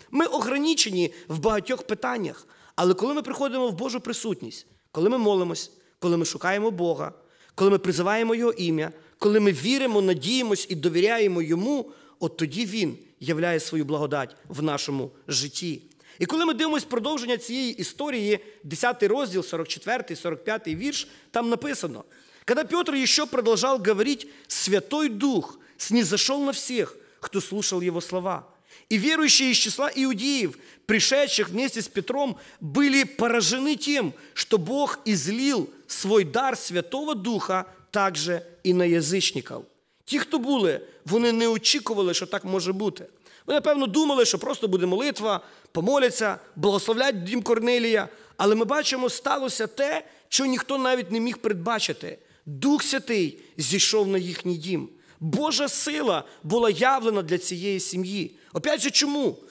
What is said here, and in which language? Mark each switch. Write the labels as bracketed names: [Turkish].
[Ukrainian] Ми ограничені в багатьох питаннях. Але коли ми приходимо в Божу присутність, коли ми молимось, коли ми шукаємо Бога, коли ми призиваємо Його ім'я, коли ми віримо, надіємось і довіряємо Йому, от тоді Він являє свою благодать в нашому житті. І коли ми дивимося продовження цієї історії, 10 розділ, 44-й, 45-й вірш, там написано, [Russian] «Когда Петр еще продолжал говорить, Святой Дух – снизошел на всех, кто слушал его слова. И верующие из числа иудеев, пришедших вместе с Петром, были поражены тем, что Бог излил свой дар Святого Духа также и на язычников. [Ukrainian] Ті, хто були, вони не очікували, що так може бути. Вони, напевно, думали, що просто буде молитва, помоляться, благословлять дім Корнелія. Але ми бачимо, сталося те, що ніхто навіть не міг передбачити. Дух Святий зійшов на їхній дім. Божа сила була явлена для цієї сім'ї. Опять же, чому?